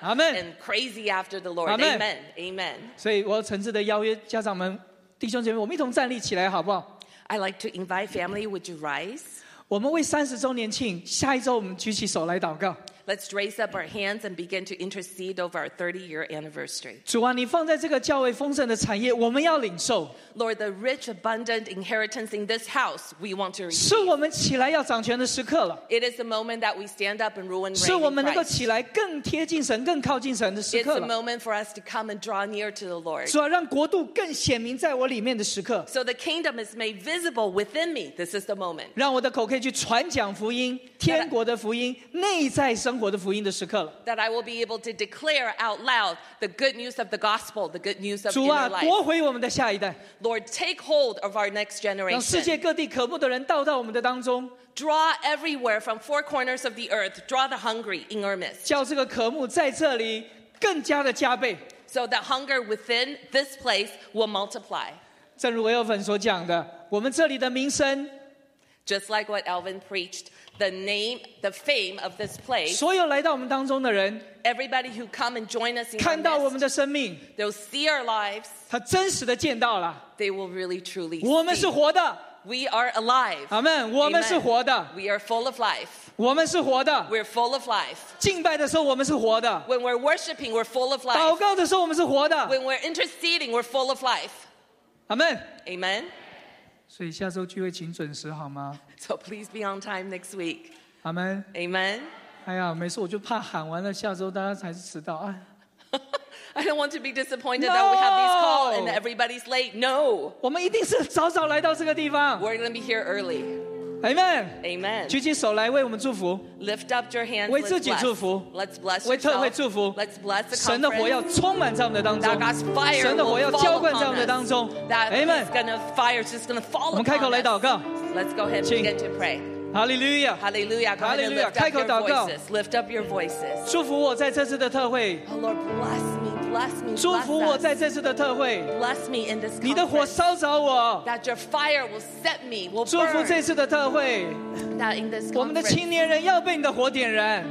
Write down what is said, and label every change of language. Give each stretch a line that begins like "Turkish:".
English: Amen. And crazy after the Lord. Amen. Amen. Amen.
Chinese: 所以我诚挚的邀约家长们。弟兄姐妹，我们一同站立起来，好不好
English: ？I like to invite family. Would you rise?
Chinese: 我们为三十周年庆，下一周我们举起手来祷告。
English: Let's raise up our hands and begin to intercede over our 30-year anniversary.
Chinese: 主啊，你放在这个教会丰盛的产业，我们要领受。
English: Lord, the rich, abundant inheritance in this house, we want to receive.
Chinese: 是我们起来要掌权的时刻了。
English: It is the moment that we stand up and rule and reign.
Chinese: 是我们能够起来更贴近神、更靠近神的时刻了。
English: It's a moment for us to come and draw near to the Lord.
Chinese: 主啊，让国度更显明在我里面的时刻。
English: So the kingdom is made visible within me. This is the moment.
Chinese: 让我的口可以去传讲福音，天国的福音，内在生。
English: That I will be able to declare out loud the good news of the gospel, the good news of inner life.
Chinese: 主啊，夺回我们的下一代。
English: Lord, take hold of our next generation.
Chinese: 让世界各地渴慕的人倒到我们的当中。
English: Draw everywhere from four corners of the earth. Draw the hungry in our midst.
Chinese: 叫这个渴慕在这里更加的加倍。
English: So that hunger within this place will multiply.
Chinese: 正如Elvin所讲的，我们这里的名声。
English: Just like what Elvin preached, the name, the fame of this place.
Chinese: 所有来到我们当中的人
English: everybody who come and join us in
Chinese: 看到我们的生命
English: they'll see our lives.
Chinese: 他真实的见到了
English: they will really truly.
Chinese: 我们是活的
English: we are alive.
Chinese: Amen. 我们是活的
English: we are full of life.
Chinese: 我们是活的
English: we're full of life.
Chinese: 敬拜的时候我们是活的
English: when we're worshiping, we're full of life.
Chinese: 祷告的时候我们是活的
English: when we're interceding, we're full of life. Amen. Amen.
Chinese: 所以下周聚会请准时好吗
English: So please be on time next week. Amen. Amen.
Chinese: 哎呀，每次我就怕喊完了下周大家才是迟到。哎、
English: I don't want to be disappointed that we have these calls and everybody's late. No.
Chinese: 我们一定是早早来到这个地方。
English: We're going to be here early. Amen. Amen.
Chinese: 举起手来为我们祝福。
English: Lift up your hands.
Chinese: 为自己祝福。
English: Let's bless.
Chinese: 为特会祝福。
English: Let's bless the conference.
Chinese: 神的火要充满在我们的当中。
English: That God's fire will fall upon us.
Chinese: 神的火要浇灌在我们的当中。
English: Amen. That fire's just going to fall upon us.
Chinese: 我们开口来祷告。
English: Let's go ahead and begin to pray. Hallelujah. Hallelujah. Hallelujah.
Chinese: 开口祷告。
English: Lift up your voices.
Chinese: 祝福我在这次的特会。
English: Oh Lord, bless me. Bless me.
Chinese: 祝福我在这次的特会。
English: Bless me in this.
Chinese: 你的火烧着我。
English: That your fire will set me. Will burn.
Chinese: 祝福这次的特会。
English: That in this.
Chinese: 我们的青年人要被你的火点燃。